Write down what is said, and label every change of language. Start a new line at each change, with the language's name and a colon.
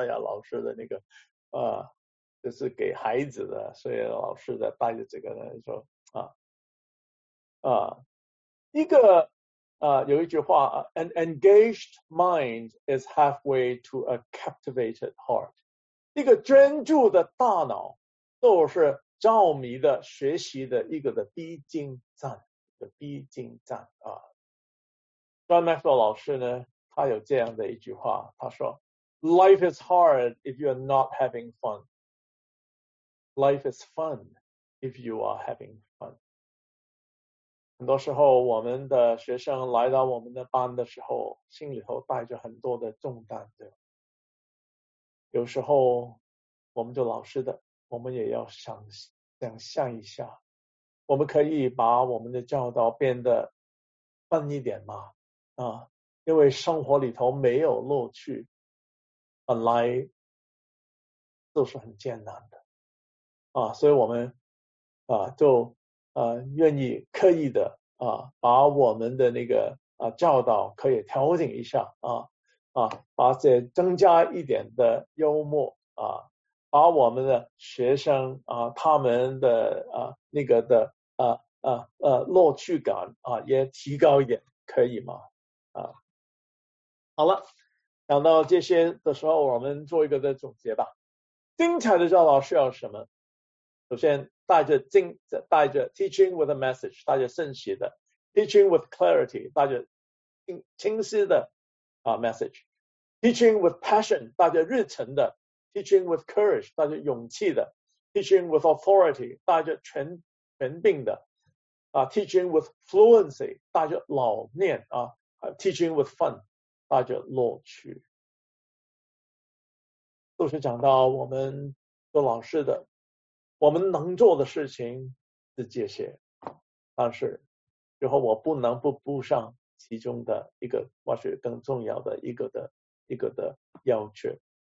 Chinese: 哎呀，老师的那个啊。这是给孩子的，所以老师在带着这个人说啊，一个啊，有一句话 ，
English: an engaged mind is halfway to a captivated heart，
Chinese: 一个专注的大脑都是着迷的学习的一个的必经站的必经站啊。 John Maxwell 老师呢，他有这样的一句话，他说 ，
English: Life is hard if you're not having fun。 Life is fun if you are having fun。
Chinese: 很多时候，我们的学生来到我们的班的时候，心里头带着很多的重担的。有时候，我们就老实的，我们也要想象一下，我们可以把我们的教导变得 fun 一点吗？啊，因为生活里头没有乐趣，本来都是很艰难的。啊，所以我们啊，就啊，愿意刻意的啊，把我们的那个啊教导可以调整一下啊啊，把这增加一点的幽默啊，把我们的学生啊，他们的啊那个的啊乐趣感啊也提高一点，可以吗？啊，好了，讲到这些的时候，我们做一个的总结吧。精彩的教导需要什么？首先带着
English: teaching with a message，
Chinese: 带着圣洗的
English: teaching with clarity，
Chinese: 带着清晰的
English: message， teaching with passion，
Chinese: 带着热忱的
English: teaching with courage，
Chinese: 带着勇气的
English: teaching with authority，
Chinese: 带着权柄的
English: teaching with fluency，
Chinese: 带着老练
English: teaching with fun，
Chinese: 带着乐趣。都是讲到我们做老师的，我们能做的事情是这些，但是最后我不能不补上其中的一个，或许更重要的一个的要求。